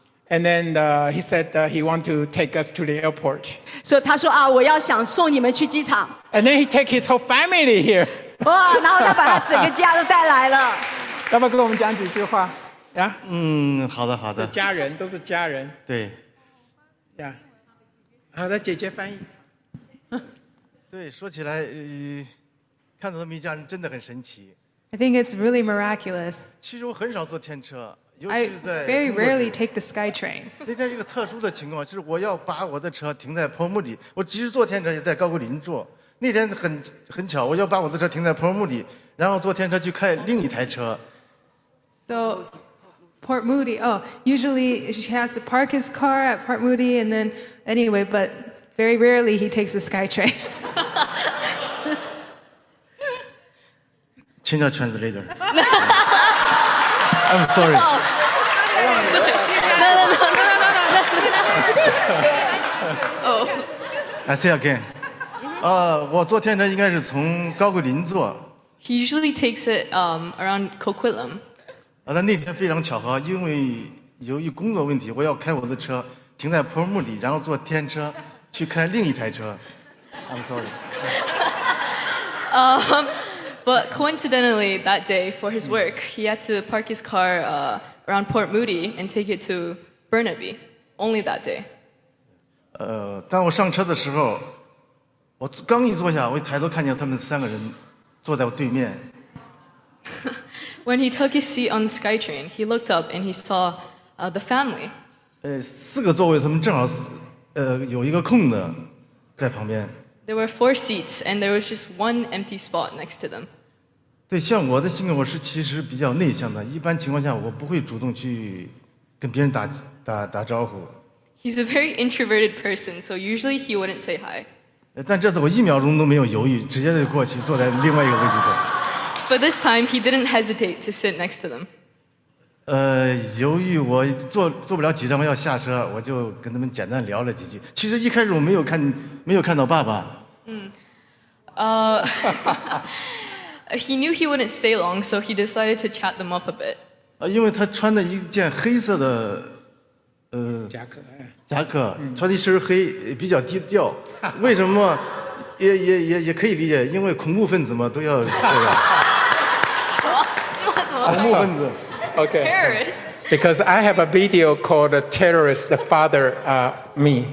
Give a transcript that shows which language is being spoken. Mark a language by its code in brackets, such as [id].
[en] And then he said he wants to take us to the airport. [zh] 所以他说,我要想送你们去机场。 [en] And then he take his whole family here. [zh] 哇,然后他把他整个家都带来了。要不要跟我们讲几句话? [en] Yeah? [zh] 好的,好的。家人,都是家人。对。 [en] Yeah. [zh] 好的，姐姐翻译。对，说起来，看到他们一家人真的很神奇。 [en] I think it's really miraculous. [zh] 其实我很少坐天车。 [en] I very rarely take the sky train. [zh] 那天是个特殊的情况，就是我要把我的车停在棚木里，我即使坐天车也在高谷林坐。那天很巧，我要把我的车停在棚木里，然后坐天车去开另一台车。 [en] So, Port Moody. Oh, usually she has to park his car at Port Moody, and then anyway, but very rarely he takes the sky train. [zh] 请叫 [en] translator. I'm sorry. No. Oh. I say again. [zh] 我坐天车应该是从高贵林坐。 [en] He usually takes it around Coquitlam. [zh] 但那天非常巧合，因为由于工作问题，我要开我的车停在坡墓里，然后坐天车去开另一台车。 [en] I'm sorry. But coincidentally, that day for his work, he had to park his car around Port Moody and take it to Burnaby. Only that day. [zh] 当我上车的时候，我刚一坐下，我一抬头看见他们三个人坐在我对面。 [en] When he took his seat on the SkyTrain, he looked up and he saw the family. [zh] 四个座位他们正好有一个空的在旁边。 [en] There were four seats and there was just one empty spot next to them. [zh] 对，像我的性格，我是其实比较内向的。一般情况下，我不会主动去跟别人打招呼。 [en] He's a very introverted person, so usually he wouldn't say hi. [zh] 但这次我一秒钟都没有犹豫，直接就过去坐在另外一个位置上。 [en] But this time, he didn't hesitate to sit next to them. [zh] 由于我坐不了几站，我要下车，我就跟他们简单聊了几句。其实一开始我没有看到爸爸。 [en] He knew he wouldn't stay long, so he decided to chat them up a bit. [zh] 因为他穿了一件黑色的夹克、穿的一身黑，比较低调。为什么？也可以理解，因为恐怖分子嘛，都要这样。 [en] Okay. Because I have a video called a terrorist, the father, me.